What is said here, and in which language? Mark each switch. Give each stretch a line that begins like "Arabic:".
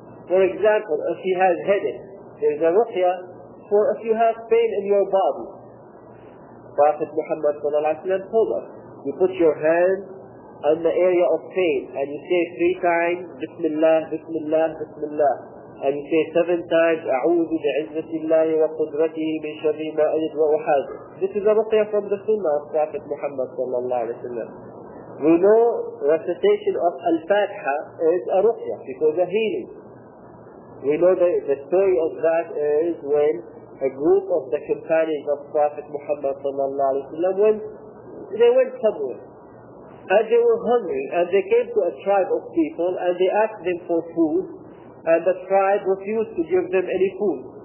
English: For example, if he has headache, there's a ruqya for if you have pain in your body. Prophet Muhammad sallallahu alayhi wa sallam told us, you put your hand on the area of pain and you say three times, Bismillah, Bismillah, Bismillah.
Arabic: And you say seven times, أعوذ بعزة الله وقدرته من شر ما أجد وأحاذر.
English: This is a ruqya from the sunnah of Prophet Muhammad sallallahu alayhi wa sallam. We know recitation of Al-Fatiha is a ruqya because of healing. We know the story of that is when a group of the companions of Prophet Muhammad sallallahu alayhi wa sallam, when they went somewhere and they were hungry and they came to a tribe of people and they asked them for food, and the tribe refused to give them any food.